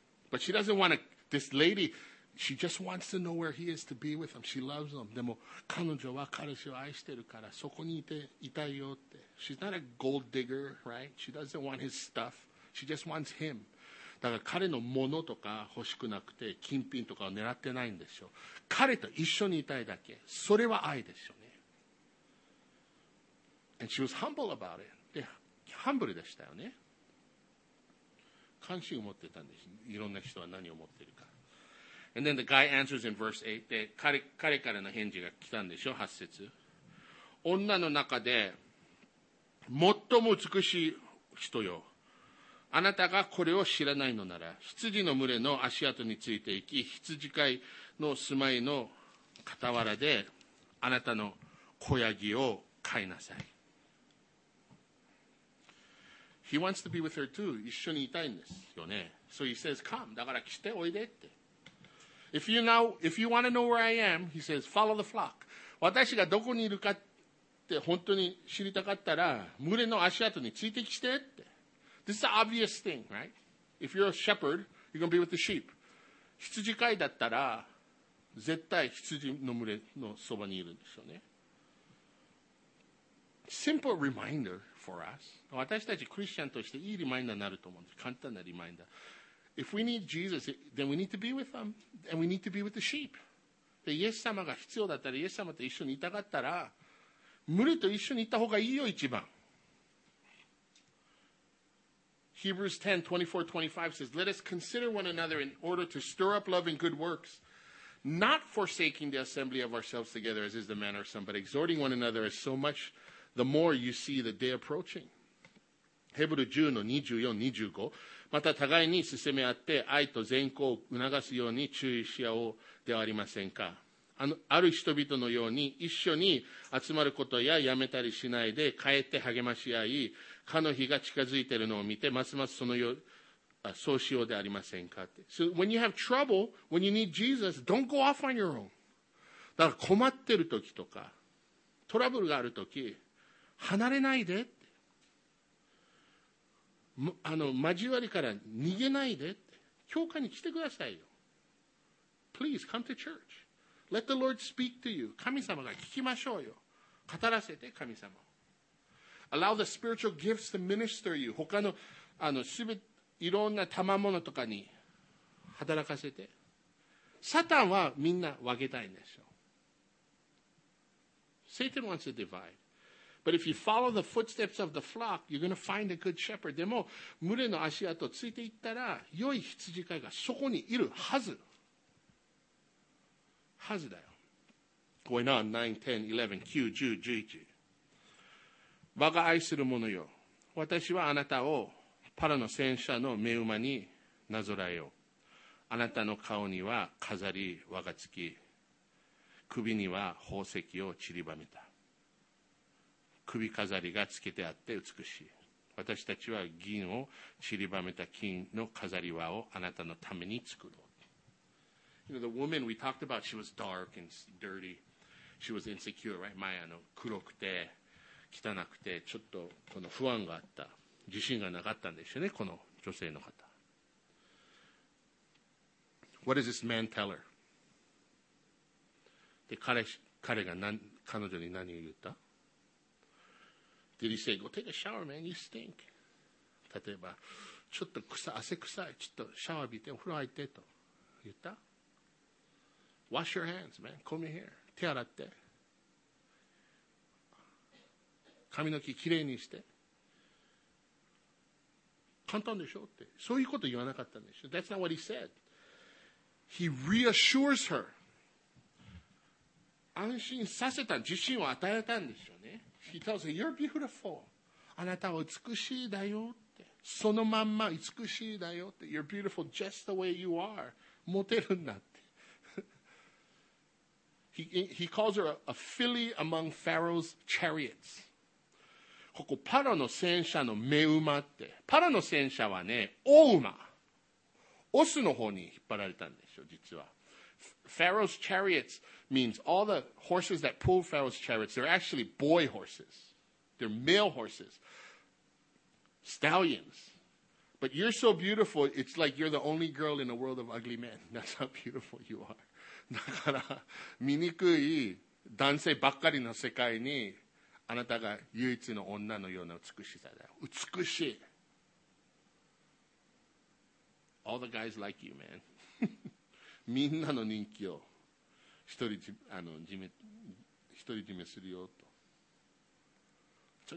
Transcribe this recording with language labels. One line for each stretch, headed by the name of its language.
English: But she doesn't want to, this lady, she just wants to know where he is to be with him. She loves him.
Japanese: でも彼女は彼氏を愛してるからそこにいたいよって。
English: She's not a gold digger, right? She doesn't want his stuff. She just wants him.
Japanese: だから彼のものとか欲しくなくて金品とかを狙ってないんでしょ。彼と一緒にいたいだけ。それは愛でしょうね。
English: And she was humble about it.
Japanese: で、ハンブルでしたよね。関心を持ってたんです。いろんな人は何を持ってるか。
English: And then the guy answers in verse 8.
Japanese: で、彼からの返事が来たんでしょ、8節。女の中で最も美しい人よ。あなたがこれを知らないのなら、羊の群れの足跡についていき、羊飼いの住まいの傍らで、あなたの子ヤギを飼いなさい。
English: He wants to be with her too.
Japanese: 一緒にいたいんですよね。
English: So he says, come.
Japanese: だから来ておいでって。
English: If you want to know where I am, he says, follow the flock.
Japanese: 私がどこにいるかって本当に知りたかったら、群れの足跡についてきてって。
English: This is the obvious thing, right? If you're a shepherd, you're going to be with the sheep.
Japanese: 羊飼いだったら、絶対羊の群れのそばにいるんですよね。
English: Simple reminder for us.
Japanese: 私たちクリスチャンとしていいリマインダーになると思うんです。簡単なリマインダー。
English: If we need Jesus, then we need to be with him. And we need to be with the sheep.
Japanese: で、イエス様が必要だったら、イエス様と一緒にいたかったら、群れと一緒にいた方がいいよ、一番。
English: Hebrews 10:24-25 says, Let us consider one another in order to stir up love and good works. Not forsaking the assembly of ourselves together as is the manner of some, but exhorting one another as so much the more you see the day approaching.
Japanese: ヘブル10の24-25 また互いに進め合って愛と善行を促すように注意し合おうではありませんか。ある人々のように一緒に集まることややめたりしないで帰って励まし合い、かの日が近づいているのを見てますますそのようそうしようでありませんかって。
English: So when you have trouble, when you need Jesus, don't go off on your own.
Japanese: だから困ってる時とか、トラブルがある時、離れないでって。交わりから逃げないでって。教会に来てくださいよ。
English: Please come to church. Let the Lord speak to you.
Japanese: 神様が聞きましょうよ。語らせて、神様。
English: Allow the spiritual gifts to minister you.
Japanese: 他の、すべて、いろんな賜物とかに働かせて。サタンはみんな分けたいんですよ。
English: Satan wants to divide. But if you follow the footsteps of the flock, you're going to find a good shepherd.
Japanese: でも、群れの足跡をついていったら、良い羊飼いがそこにいるはず。はずだよ。
English: Going on, 9, 10, 11.
Japanese: 我が愛する者よ。私はあなたをパラの戦車の目馬になぞらえよ。あなたの顔には飾り輪がつき、首には宝石を散りばめた。首飾りがつけてあって美しい。私たちは銀を散りばめた金の飾り輪をあなたのために作ろう。
English: You know, the woman we talked about, she was dark and dirty. She was insecure, right? 前
Japanese: あの黒くて汚くてちょっとこの不安があった。自信がなかったんですよね、この女性の方。
English: What does this man tell her?
Japanese: で、彼が彼女に何を言った?
English: Did he say, go take a shower, man, you stink. 例えば、ちょっと汗臭い、ちょっとシャワー浴びて、お風呂入ってと言った? Wash your hands, man, comb your hair.
Japanese: 手洗って。髪の毛きれいにして。簡単でしょって。そういうこと言わなかったんでしょ。
English: That's not what he said. He reassures her.
Japanese: 安心させた、自信を与えたんですよね。
English: He tells her, you're beautiful.
Japanese: あなたは美しいだよって。そのまんま美しいだよって。
English: You're beautiful just the way you are.
Japanese: モテるんだって。
English: He calls her a filly among Pharaoh's chariots.
Japanese: ここ、パラの戦車の目馬って。パラの戦車はね、大馬。オスの方に引っ張られたんでしょ、実は。
English: Pharaoh's chariots means all the horses that pull Pharaoh's chariots, they're actually boy horses. They're male horses. Stallions. But you're so beautiful, it's like you're the only girl in a world of ugly men. That's how beautiful you are.
Japanese: だから、醜い男性ばっかりの世界に、あなたが唯一の女のような美しさだよ。美しい。
English: All the guys like you, man.
Japanese: みんなの人気を独り占めするよと。